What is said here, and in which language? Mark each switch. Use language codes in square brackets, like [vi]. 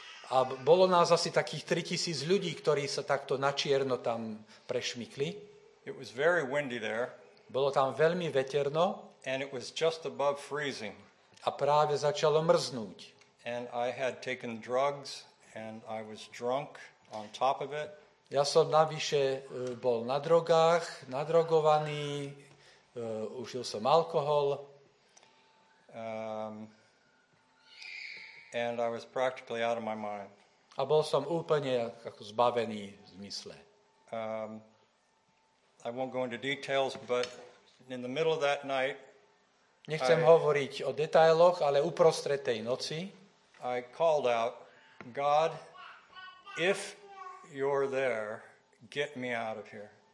[sk] A bolo nás asi takých 3,000 ľudí, ktorí sa takto na čierno tam prešmykli. [en] It was very windy there. [sk] Bolo tam veľmi veterno. [en] And it was just above freezing. [sk] A práve začalo mrznúť. [en] And I had taken drugs and I was drunk on top of it. [sk] Ja som navyše bol na drogách, nadrogovaný, užil som alkohol. [en] And I was practically out of my mind. [sk] A bol som úplne ako zbavený zmysle. [en] I won't go into details, but in the middle of that night, [sk] nechcem hovoriť o detailoch, ale uprostred tej noci [en] I called out, God, if you're there, get me out of here.